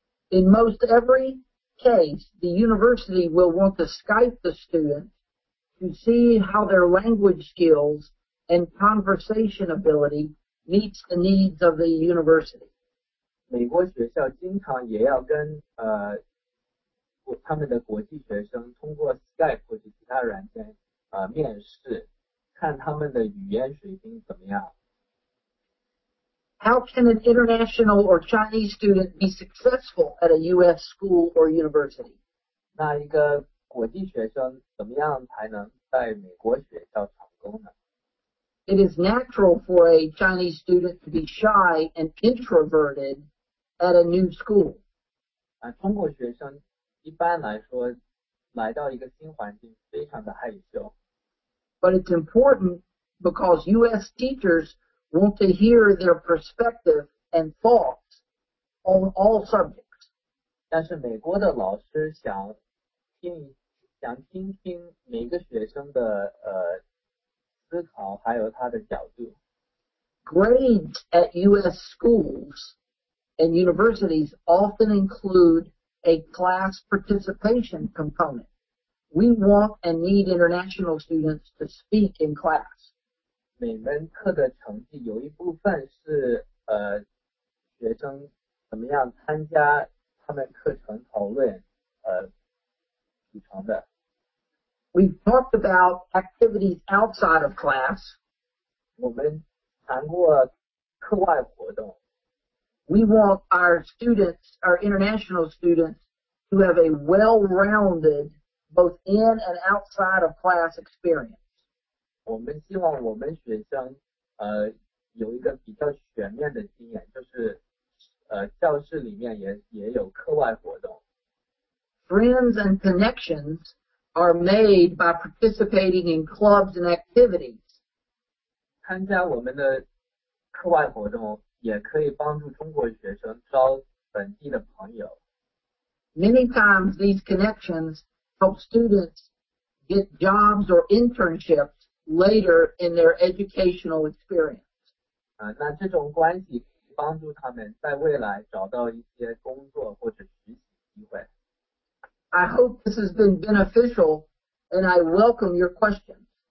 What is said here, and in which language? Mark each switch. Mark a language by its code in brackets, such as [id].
[en] In most every case, the university will want to Skype the student to see how their language skills and conversation ability meets the needs of the university. [zh] 美国学校经常也要跟他们的国际学生通过 Skype 或者其他软件面试，看他们的语言水平怎么样。 [en] How can an international or Chinese student be successful at a U.S. school or university? [zh] 那一个国际学生怎么样才能在美国学校成功呢？ [en] It is natural for a Chinese student to be shy and introverted at a new school. [zh] 中国学生一般来说来到一个新环境非常的害羞。 [en] But it's important because U.S. teachers want to hear their perspective and thoughts on all subjects. [zh] 但是美国的老师想听听每个学生的思考还有他的角度。 [en] Grades at U.S. schools and universities often include a class participation component. We want and need international students to speak in class. [zh] 每门课的成绩有一部分是学生怎么样参加他们课程讨论组成的。 [en] We've talked about activities outside of class. [zh] 我们谈过课外活动。 [en] We want our international students to have a well-rounded,both in and outside of class experience. [zh] 我们希望我们学生有一个比较全面的经验，就是教室里面也有课外活动。 [en] Friends and connections are made by participating in clubs and activities. [zh] 参加我们的课外活动也可以帮助中国学生交本地的朋友。 [en] Many times these connectionshelp students get jobs or internships later in their educational experience. [zh] 那这种关系可以帮助他们在未来找到一些工作或者实习机会。 [en] I hope this has been beneficial and I welcome your questions.